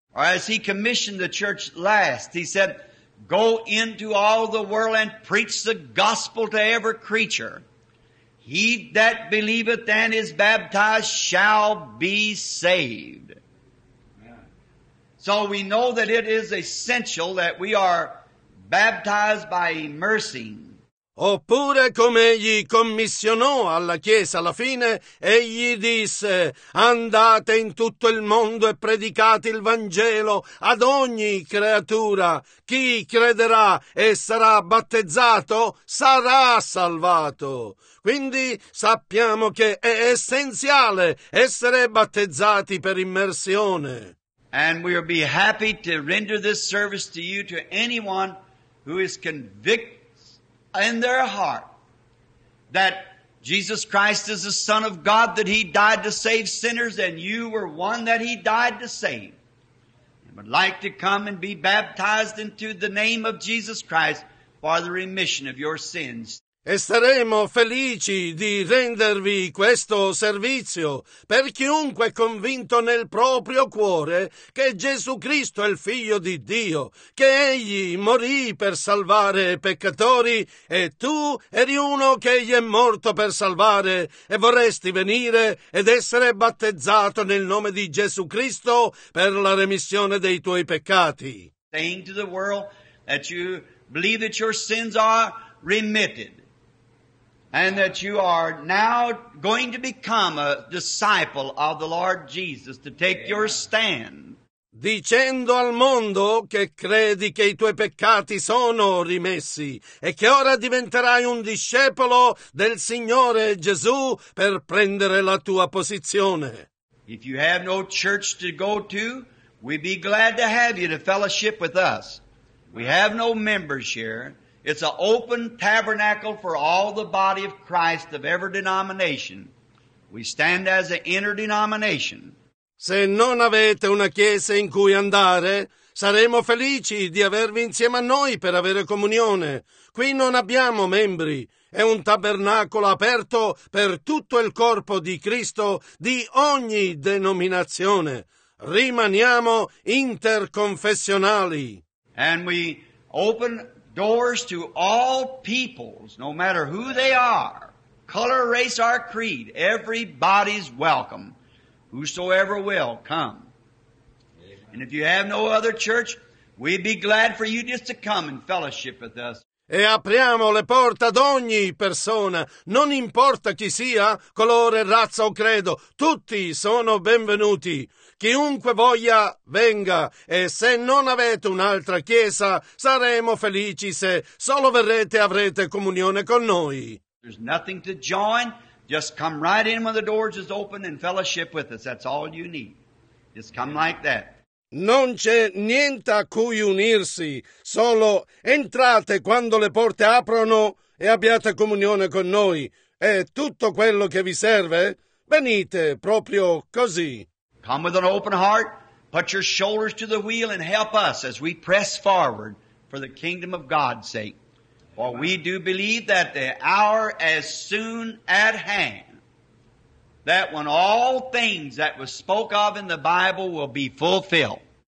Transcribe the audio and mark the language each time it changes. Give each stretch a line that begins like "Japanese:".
English: As he commissioned the church last, he said, "Go into all the world and preach the gospel to every creature. He that believeth and is baptized shall be saved." So we know that it is essential that we are baptized by immersing.
Italian: Oppure come egli commissionò alla Chiesa alla fine, egli disse: andate in tutto il mondo e predicate il Vangelo ad ogni creatura. Chi crederà e sarà battezzato sarà salvato. Quindi sappiamo che è essenziale essere battezzati per immersione.
English: And we'll be happy to render this service to you, to anyone who is convicted in their heart that Jesus Christ is the Son of God, that he died to save sinners, and you were one that he died to save, and would like to come and be baptized into the name of Jesus Christ for the remission of your sins.
Italian: E saremo felici di rendervi questo servizio per chiunque è convinto nel proprio cuore che Gesù Cristo è il Figlio di Dio, che Egli morì per salvare peccatori e tu eri uno che Egli è morto per salvare e vorresti venire ed essere battezzato nel nome di Gesù Cristo per la remissione dei tuoi peccati.
English: Saying to the world that you believe that your sins are remitted, and that you are now going to become a disciple of the Lord Jesus, to take your stand.
Italian: Dicendo al mondo che credi che i tuoi peccati sono rimessi e che ora diventerai un discepolo del Signore Gesù per prendere la tua posizione.
English: If you have no church to go to, we'd be glad to have you to fellowship with us. We have no members here. It's an open tabernacle for all the body of Christ of every denomination. We stand as an interdenomination.
Italian: Se non avete una chiesa in cui andare, saremo felici di avervi insieme a noi per avere comunione. Qui non abbiamo membri. È un tabernacolo aperto per tutto il corpo di Cristo di ogni denominazione. Rimaniamo interconfessionali.
English: And we open doors to all peoples, no matter who they are, color, race, or creed. Everybody's welcome. Whosoever will, come. And if you have no other church, we'd be glad for you just to come and fellowship with us.
Italian: E apriamo le porte ad ogni persona, non importa chi sia, colore, razza o credo, tutti sono benvenuti. Chiunque voglia, venga, e se non avete un'altra chiesa, saremo felici se solo verrete e avrete comunione con noi. There's nothing to join, just come right in when the doors is open and fellowship with us, that's all you need. Just come like that. Non c'è niente a cui unirsi, solo entrate quando le porte aprono e abbiate comunione con noi. È tutto quello che vi serve? Venite proprio così.
English: Come with an open heart, put your shoulders to the wheel and help us as we press forward for the kingdom of God's sake. For we do believe that the hour is soon at hand, that when all things that was spoke of in the Bible will be fulfilled.